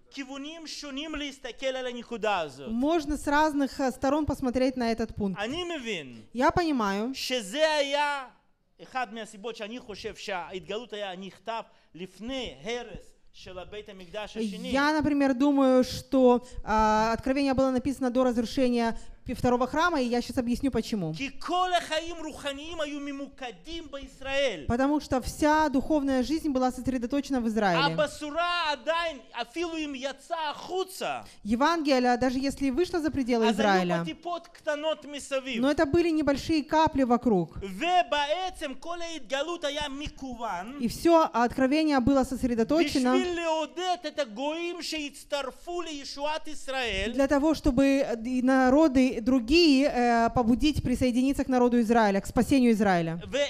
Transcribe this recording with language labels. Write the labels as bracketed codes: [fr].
[ru] Можно с разных сторон посмотреть на этот пункт. Я понимаю, что это было... [he] אחד מהסיבות שאני חושב שההתגלות היה נכתב לפני הרס של בית המקדש השני. [ru] Я, например, думаю, что откровение было написано до разрушения второго храма, и я сейчас объясню почему. [he] כי כל החיים רוחניים היו ממוקדים בישראל. [ru] Потому что вся духовная жизнь была сосредоточена в Израиле. [he] הבשורה עדיין אפילו אם יצא החוצה. [ru] Евангелие, даже если вышло за пределы Израиля. [he] אז היו טיפות קטנות מסביב. [ru] Но это были небольшие капли вокруг. [he] ובעצם כל ההתגלות היה מקוון. [ru] И все откровение было сосредоточено. [he] בשביל להודד את הגויים שהצטרפו לישועת ישראל. [ru] Для того, чтобы народы другие побудить присоединиться к народу Израиля, к спасению Израиля.